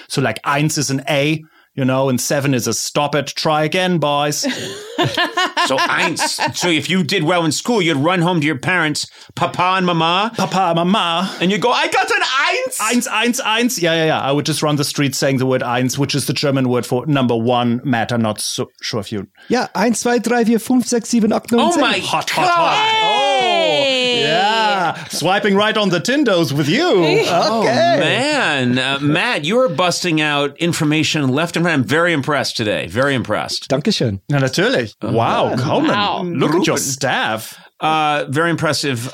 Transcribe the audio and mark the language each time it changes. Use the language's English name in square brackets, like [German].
[English] So like, eins is an A, you know, and seven is a stop it, try again, boys. So eins. So if you did well in school, you'd run home to your parents, papa and mama. Papa, mama. And you go, I got an eins. Eins, eins, eins. Yeah, yeah, yeah. I would just run the street saying the word eins, which is the German word for number one. Matt, I'm not so sure if you. [German] Yeah, eins, zwei, drei, vier, fünf, sechs, sieben, acht, neun, zehn. [English] Oh my hot, hot, hot. Hey! Oh, yeah. Swiping right on the Tindos with you. Okay. Oh, man. Matt, you're busting out information left and right. I'm very impressed today. Very impressed. [German] Dankeschön. Na, natürlich. [English] Wow, Coleman. Wow. Look at your staff. Very impressive.